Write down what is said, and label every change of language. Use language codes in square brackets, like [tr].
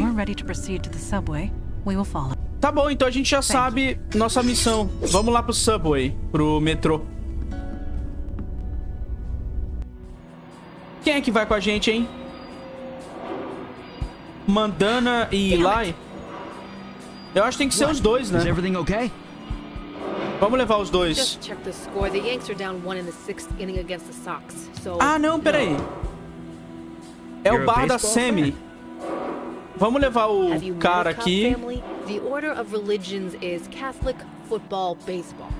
[en] When we're ready to proceed to the subway, we will follow. [pt] Tá bom, então a gente já sabe nossa missão. Vamos lá pro subway, pro metrô. Quem é que vai com a gente, hein? Mandana e Eli? Eu acho que tem que ser os dois, né? [en] Is everything okay? [pt] Vamos levar os dois. [en] Just check the score. The Yanks are down one in the sixth inning against the Sox. So... [pt] Ah, não, peraí. É o bar da Sammy. Vamos levar o cara aqui. [en] The order of religions is Catholic, football, baseball.